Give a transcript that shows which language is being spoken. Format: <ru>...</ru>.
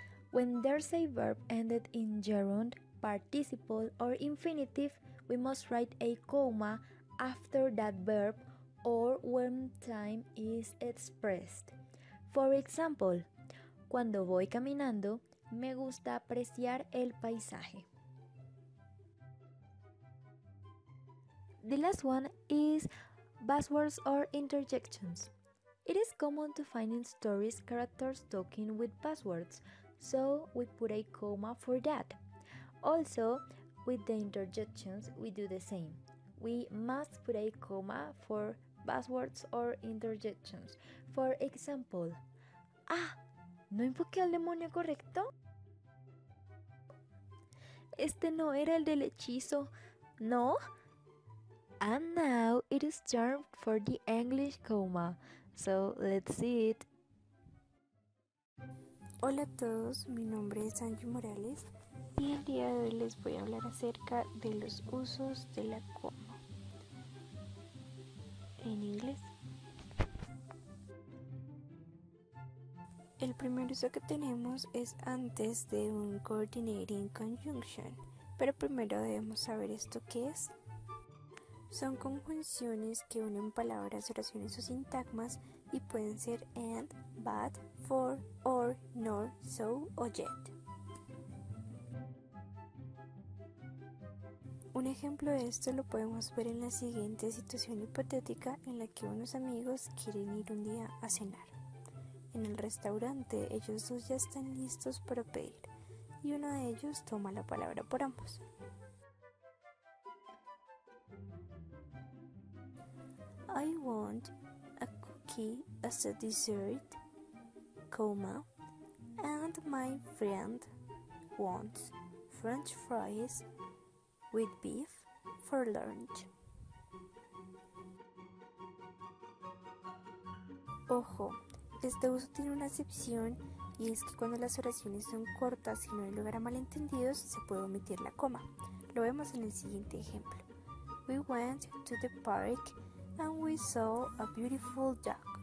<en>When there's a verb ended in gerund, participle or infinitive, we must write a comma after that verb or when time is expressed. For example,</en> <es>cuando voy caminando, me gusta apreciar el paisaje.</es> <en>The last one is buzzwords or interjections. It is common to find in stories characters talking with buzzwords, so we put a comma for that. Also, with the interjections, we do the same. We must put a comma for buzzwords or interjections. For example,</en> <es>¡ah! ¿No invoqué al demonio correcto? Este no era el del hechizo, ¿no?</es> <en>And now it is time for the English coma. So let's see it.</en> <es>Hola a todos, mi nombre es Angie Morales y el día de hoy les voy a hablar acerca de los usos de la coma. En inglés. El primer uso que tenemos es antes de un coordinating conjunction, pero primero debemos saber esto qué es. Son conjunciones que unen palabras, oraciones o sintagmas y pueden ser and, but, for, or, nor, so o yet. Un ejemplo de esto lo podemos ver en la siguiente situación hipotética en la que unos amigos quieren ir un día a cenar. En el restaurante, ellos dos ya están listos para pedir, y uno de ellos toma la palabra por ambos.</es> <en>I want a cookie as a dessert, coma, and my friend wants French fries with beef for lunch.</en> <es>Ojo. Este uso tiene una excepción y es que cuando las oraciones son cortas y no hay lugar a malentendidos, se puede omitir la coma. Lo vemos en el siguiente ejemplo.</es> <en>We went to the park and we saw a beautiful duck.</en>